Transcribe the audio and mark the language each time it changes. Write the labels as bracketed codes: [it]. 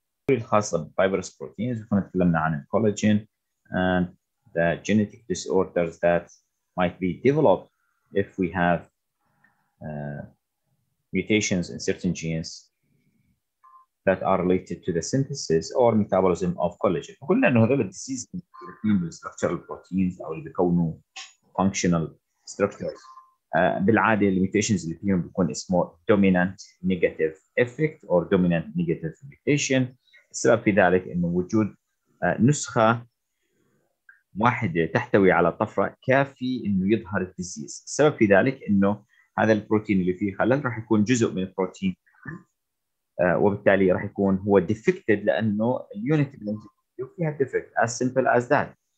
[ar] الخاصة بالفايبرس بروتينز وكنا تكلمنا عن الكولاجين [en] and the genetic disorders that might be developed if we have mutations in certain genes that are related to the synthesis or metabolism of collagen. [ar] قلنا انه هذول الديزيز بيكونوا [en] structural proteins [ar] او اللي بيكونوا [en] functional structures. [ar] بالعاده الميوتيشنز اللي فيهم بيكون اسمه [en] dominant negative effect or dominant negative mutation. [ar] السبب في ذلك انه وجود نسخه واحده تحتوي على طفره كافي انه يظهر الديزيز. السبب في ذلك انه هذا البروتين اللي فيه خلل راح يكون جزء من البروتين وبالتالي راح يكون هو ديفكتد لانه اليونت اللي فيها ديفكت [en] as simple as that.